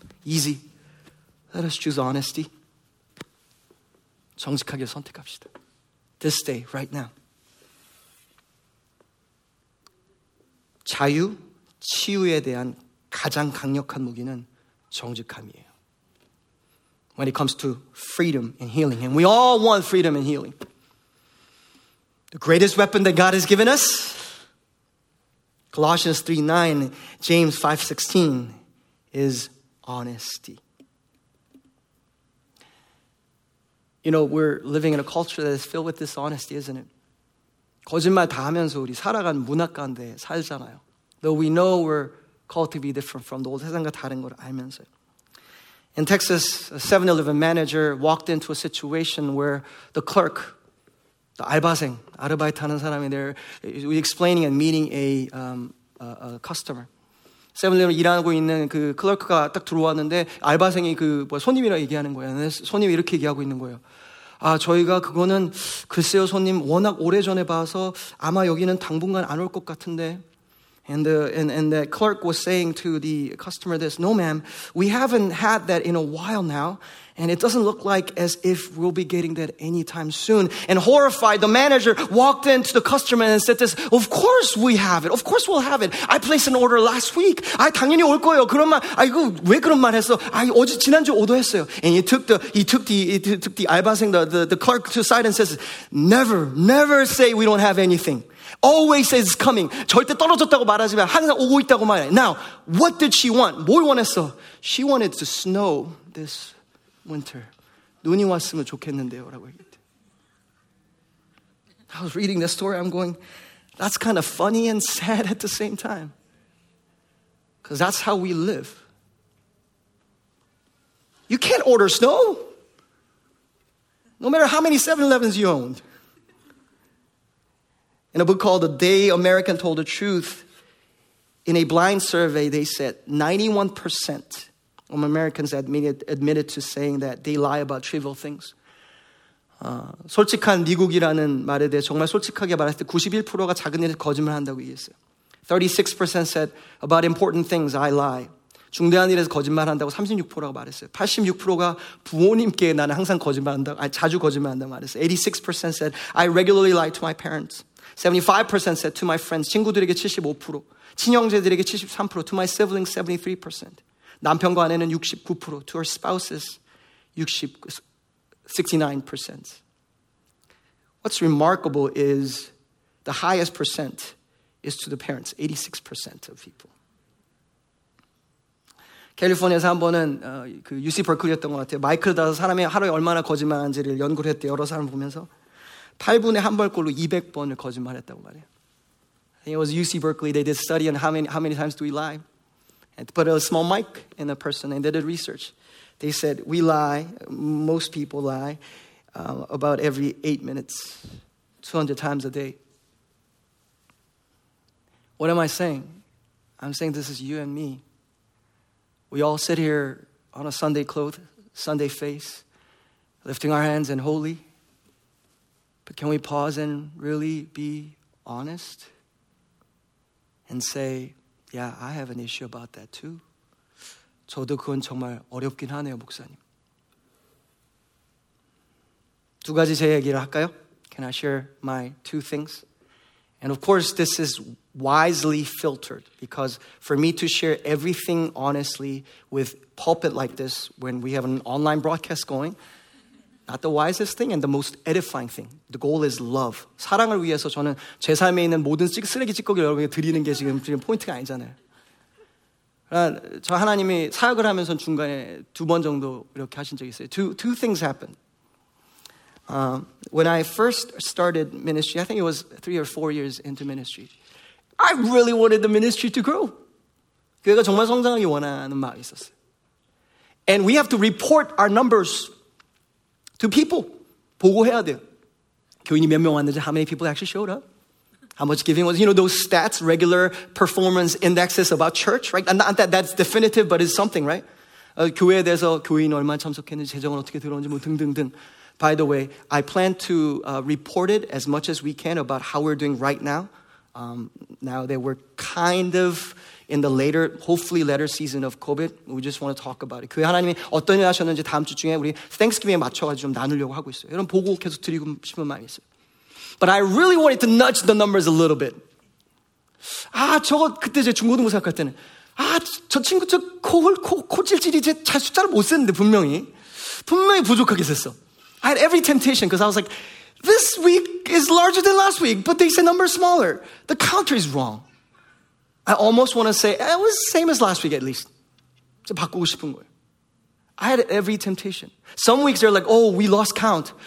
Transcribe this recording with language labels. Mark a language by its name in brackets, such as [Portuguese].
[English] Easy. Let us choose honesty. [Korean] 정직하게 선택합시다. [English] This day, right now. [Korean] 자유, 치유에 대한 가장 강력한 무기는 정직함이에요. [English] When it comes to freedom and healing, and we all want freedom and healing, the greatest weapon that God has given us, Colossians 3:9, James 5:16, is honesty. You know, we're living in a culture that is filled with dishonesty, isn't it? [Korean] 거짓말 다 하면서 우리 살아간 문화 가운데 살잖아요. [English] Though we know we're called to be different from the old [Korean] 세상과 다른 걸 알면서요. [English] In Texas, a 7-Eleven manager walked into a situation where the clerk, the [Korean] 알바생, 아르바이트 하는 사람이 [English] there, explaining and meeting a customer. [Korean] 7-Eleven 일하고 있는 그 클럭크가 딱 들어왔는데 알바생이 그 뭐 손님이라고 얘기하는 거예요. 손님이 이렇게 얘기하고 있는 거예요. 아, 저희가 그거는 글쎄요 손님 워낙 오래전에 봐서 아마 여기는 당분간 안 올 것 같은데. [English] And the clerk was saying to the customer this, no ma'am, we haven't had that in a while now, and it doesn't look like as if we'll be getting that anytime soon. And horrified, the manager walked into the customer and said this, of course we have it, of course we'll have it. I placed an order last week. [Korean] 아, 당연히 올 거예요. 그런 말, 아이고, 왜 그런 말 했어? 아, 어제, 지난주 오더했어요. [English] And he took the 알바생, the clerk to the side and says, never say we don't have anything. Always says it's coming. [Korean] 절대 떨어졌다고 말하지 마. 항상 오고 있다고 말해. [English] Now, what did she want? [Korean] 뭘 원했어? [English] She wanted to snow this winter. [Korean] 눈이 왔으면 좋겠는데요. 라고 얘기했대. [English] I was reading this story. I'm going, that's kind of funny and sad at the same time. Because that's how we live. You can't order snow. No matter how many 7-Elevens you owned. In a book called The Day American Told the Truth, in a blind survey, they said 91% of Americans admitted to saying that they lie about trivial things. [Korean] 솔직한 미국이라는 말에 대해 정말 솔직하게 말할 때 91%가 작은 일에 거짓말한다고 얘기했어요. [English] 36% said about important things, I lie. [Korean] 중대한 일에서 거짓말한다고 36%라고 말했어요. 86%가 부모님께 나는 항상 거짓말한다고, 아니, 자주 거짓말한다고 말했어요. [English] 86% said I regularly lie to my parents. 75% said to my friends, [Korean] 친구들에게 75%, 친형제들에게 73%, [English] to my siblings 73%, [Korean] 남편과 아내는 69%, [English] to our spouses 69%. What's remarkable is the highest percent is to the parents, 86% of people. [Korean] 캘리포니아에서 한 번은 그 UC 버클리였던 것 같아요. 마이클 다서 사람이 하루에 얼마나 거짓말하는지를 연구를 했대. 여러 사람 보면서. 8분에 한 번꼴로 200번을 거짓말했다고 말해요. [English] I think it was UC Berkeley. They did a study on how many times do we lie. And put a small mic in a person and they did research. They said, we lie, most people lie, about every 8 minutes, 200 times a day. What am I saying? I'm saying this is you and me. We all sit here on a Sunday cloth, Sunday face, lifting our hands and holy. But can we pause and really be honest and say, yeah, I have an issue about that too. [Korean] 저도 그건 정말 어렵긴 하네요, 목사님. 두 가지 제 얘기를 할까요? [English] Can I share my two things? And of course, this is wisely filtered because for me to share everything honestly with pulpit like this when we have an online broadcast going, not the wisest thing and the most edifying thing. The goal is love. [Korean] 사랑을 위해서 저는 제 삶에 있는 모든 쓰레기 찌꺼기를 여러분에게 드리는 게 지금 포인트가 아니잖아요. 저 하나님이 사역을 하면서 중간에 두 번 정도 이렇게 하신 적이 있어요. [English] Two things happened. When I first started ministry, I think it was 3 or 4 years into ministry, I really wanted the ministry to grow. [Korean] 교회가 정말 성장하기 원하는 마음이 있었어요. [English] And we have to report our numbers to people, [Korean] 보고해야 돼요. 교인이 몇 명 왔는지, [English] how many people actually showed up? How much giving was, you know, those stats, regular performance indexes about church, right? And not that that's definitive, but it's something, right? [Korean] 교회에 대해서 교인 얼마 참석했는지, 재정은 어떻게 들어온지, 뭐 등등등. By the way, I plan to report it as much as we can about how we're doing right now. Now that we're kind of in the later, hopefully later season of COVID, we just want to talk about it. 교회 하나님이 어떤 일 하셨는지 다음 주 중에 우리 Thanksgiving에 맞춰가지고 좀 나누려고 하고 있어요. 이런 보고 계속 드리고 싶은 마음이 있어요. [English] But I really wanted to nudge the numbers a little bit. [Korean] 아, 저거 그때 제 중고등부 생각할 때는 아, 저 친구 저 코찔찔이 이제 잘 숫자를 못 쓰는데 분명히 부족하게 썼어. [English] I had every temptation because I was like, this week is larger than last week, but they said number smaller. The counter is wrong. I almost want to say, it was the same as last week at least. [Korean] 저 바꾸고 싶은 거예요. [English] I had every temptation. Some weeks they're like, oh, we lost count.